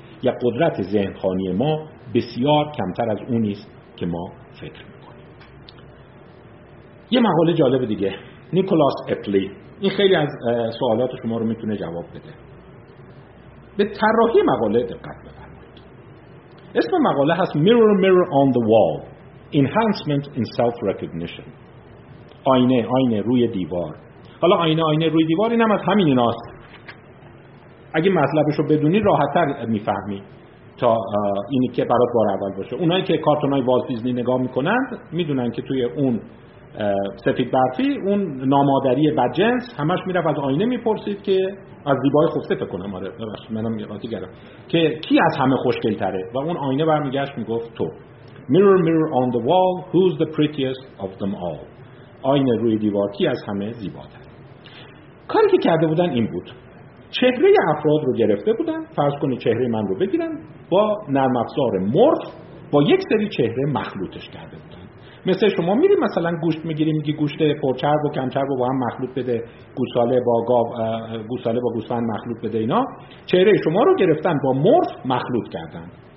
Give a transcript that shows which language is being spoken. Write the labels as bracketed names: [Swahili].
[Persian] یا قدرت ذهن خوانی ما بسیار کمتر از اون است که ما فکر میکنیم. یه مقاله جالب دیگه، نیکولاس اپلی. این خیلی از سوالات شما رو میتونه جواب بده. به طراحی مقاله دقت بفرمایید. اسم مقاله هست [English] Mirror Mirror on the Wall: Enhancement in Self-Recognition. [Persian] آینه آینه روی دیوار. حالا آینه آینه روی دیوار اینم از همین ایناست. اگه مطلبشو بدونی راحت‌تر میفهمی تا اینی که برات بار اول باشه. اونایی که کارتونای والت دیزنی نگاه میکنند میدونن که توی اون سفید برفی اون نامادری بدجنس همش میرفت از آینه میپرسید که از زیبای خفته فکنم آره ببخشید منم یادی گرفت که کی از همه خوشگل تره و اون آینه برمیگشت میگفت تو. [English] Mirror mirror on the wall, who's the prettiest of them all. [Persian] آینه روی دیوار، کی از همه زیباتره. کاری که کرده بودن این بود، چهره افراد رو گرفته بودن، فرض کنه چهره من رو بگیرن، با نرم افزار مورف با یک سری چهره مخلوطش کرده بودن. مثل شما میری مثلا گوشت میگیری، میگی گوشت پرچرب و کمچرب رو با هم مخلوط بده، گوساله با گاو، گوساله با گوسفند مخلوط بده، اینا چهره شما رو گرفتن با مورف مخلوط کردن.